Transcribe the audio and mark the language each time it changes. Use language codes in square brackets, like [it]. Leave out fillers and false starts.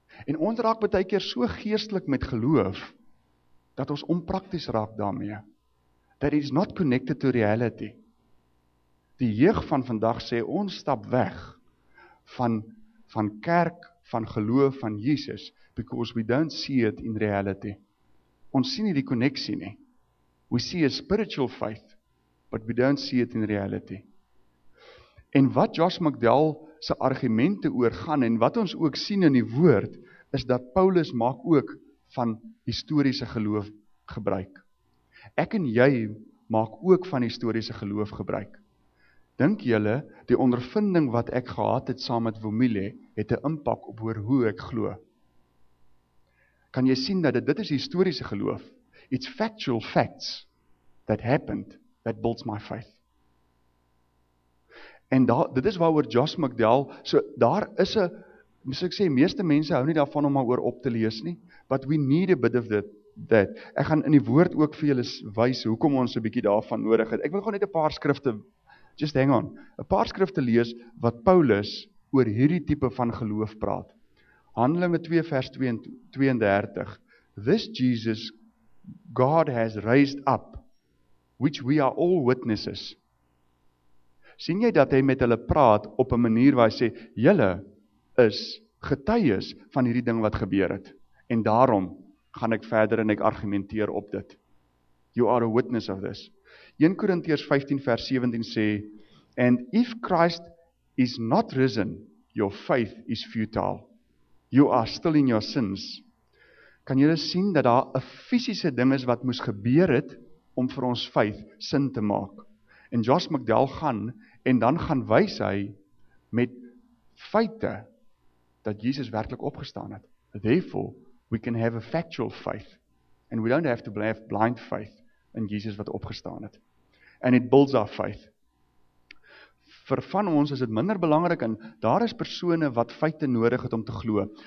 [af] En ons raak baie keer so geestelik met geloof, dat ons onprakties raak daarmee. [en] That it is not connected to reality. [af] Die jeug van vandag sê, ons stap weg van kerk, van geloof, van Jesus, [en] because we don't see it in reality. [af] Ons sien nie die connectie nie. [en] We see a spiritual faith, but we don't see it in reality. [af] En wat Josh McDowell se argumente oor gaan, en wat ons ook sien in die woord, is dat Paulus maak ook van historiese geloof gebruik. Ek en jy maak ook van historiese geloof gebruik. Dink julle, die ondervinding wat ek gehad het saam met Vumile, het 'n impak op oor hoe ek glo. Kan jy sien dat dit is historiese geloof? [en] It's factual facts that happened that builds my faith. [af] En dit is waaroor Josh McDowell, so daar is 'n, moet ek sê, meeste mense hou nie daarvan om maar oor op te lees nie, [en] but we need a bit of that. [af] Ek gaan in die woord ook vir julle wys hoekom ons 'n bietjie daarvan nodig het. Ek wil gewoon net 'n paar skrifte [en] just hang on, [af] 'n paar skrifte lees wat Paulus oor hierdie tipe van geloof praat. Handelinge 2 vers 32, [en] this Jesus God has raised up, which we are all witnesses. [af] Sien jy dat hy met hulle praat op 'n manier waar hy sê, julle is getuies van hierdie ding wat gebeur het, en daarom gaan ek verder en ek argumenteer op dit. [en] You are a witness of this. [af] 1 Korintiërs 15 vers 17 sê, [en] and if Christ is not risen, your faith is futile. You are still in your sins. [af] Kan julle sien dat daar 'n fisiese ding is wat moes gebeur het om vir ons faith sin te maak? En Josh McDowell gaan, en dan gaan wys hy met feite dat Jesus werklik opgestaan het. [en] Therefore, we can have a factual faith and we don't have to have blind faith in Jesus [af] wat opgestaan het. [en] And it builds our faith. [af] Vir van ons is dit minder belangrik en daar is persone wat feite nodig het om te glo.